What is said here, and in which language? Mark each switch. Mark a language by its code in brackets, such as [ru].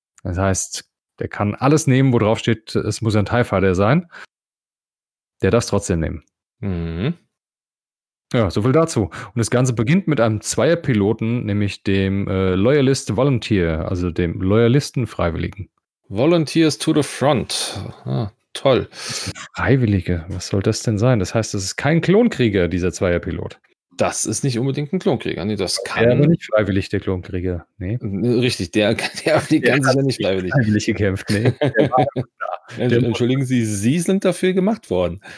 [de] Das heißt, der kann alles nehmen, wo drauf steht, es muss ein Tai-Fighter sein. Der darf es trotzdem nehmen. Mhm. Ja, so viel dazu. Und das Ganze beginnt mit einem 2er Piloten, nämlich dem Loyalist Volunteer, also dem Loyalisten-Freiwilligen. [en] Volunteers to the front. [de] Ah, toll. Freiwillige, was soll das denn sein? Das heißt, das ist kein Klonkrieger, dieser 2er Pilot. Das ist nicht unbedingt ein Klonkrieger. Nee, das kann. Der war nicht freiwillig, der Klonkrieger. Nee. Richtig, der fliegt ganz sicher nicht freiwillig. Freiwillig gekämpft, nee. Entschuldigen Sie, Sie sind dafür gemacht worden.